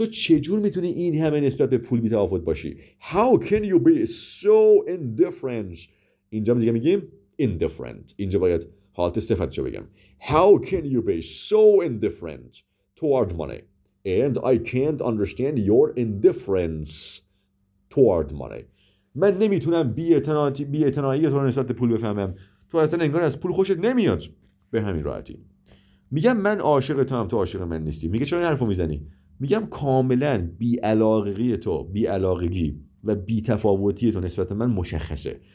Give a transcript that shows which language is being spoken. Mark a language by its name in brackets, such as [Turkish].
[Persian] تو چجور میتونی این همه نسبت به پول بی‌تفاوت باشی؟ [English] How can you be so indifferent؟ [Persian] اینجا دیگه میگیم indifferent. اینجا باید حالت صفتشو بگم. [English] How can you be so indifferent toward money? And I can't understand your indifference toward money. [Persian] من نمیتونم بی‌اعتنایی تو رو نسبت به پول بفهمم. تو اصلا انگار از پول خوشت نمیاد. به همین راحتی. میگم من عاشق تو هم تو عاشق من نیستی. میگه چرا این حرفو میزنی؟ میگم کاملا بی‌علاقگی تو، بی‌علاقگی و بی‌تفاوتی تو نسبت من مشخصه.